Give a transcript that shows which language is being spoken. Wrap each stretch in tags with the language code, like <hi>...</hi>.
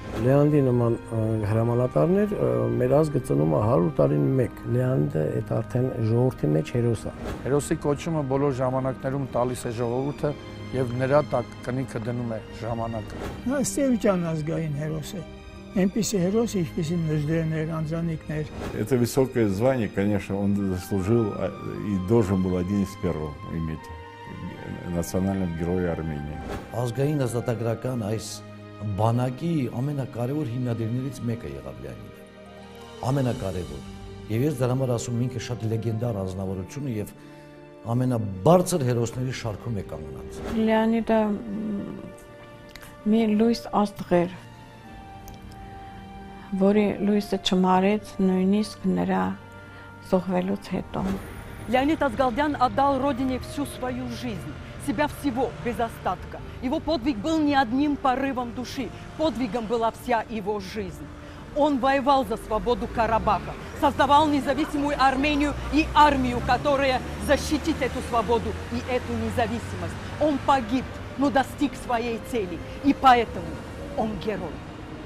<hy>Լեոնիդի նման հրամանատարներ մեր ազգը ծնում է 100 տարին մեկ։ Լեոնիդը այդ արդեն ժողովրդի մեջ հերոս է։ Հերոսի կոչումը բոլոր ժամանակներում տալիս է ժողովուրդը և նրա տակ կնիքը դնում է ժամանակը։ Նա Ստևիճան ազգային հերոս է, այնպիսի հերոս, ինչպիսի Նժդեհներ, Անձրանիկներ։</hy> <ru>Это высокое звание, конечно, он заслужил и должен был один из первых иметь национальным героем Армении.</ru> <hy>Ազգային ազատագրական այս բանակի ամենակարևոր հիմնադիրներից մեկը եղավ Լեոնիդը, ամենակարևոր, և ես դրա համար ասում ինքը շատ լեգենդար անձնավորություն ու և ամենաբարձր հերոսների շարքում է կանգնած։ Լեոնիդը մի լույս աստղ էր, որի լույսը չմարեց նույնիսկ նրա զոհվելուց հետո։</hy> <ru>Леонид Асгалдян отдал родине всю свою жизнь, себя всего, без остатка. Его подвиг был не одним порывом души, подвигом была вся его жизнь. Он воевал за свободу Карабаха, создавал независимую Армению и армию, которая защитит эту свободу и эту независимость. Он погиб, но достиг своей цели, и поэтому он герой.</ru>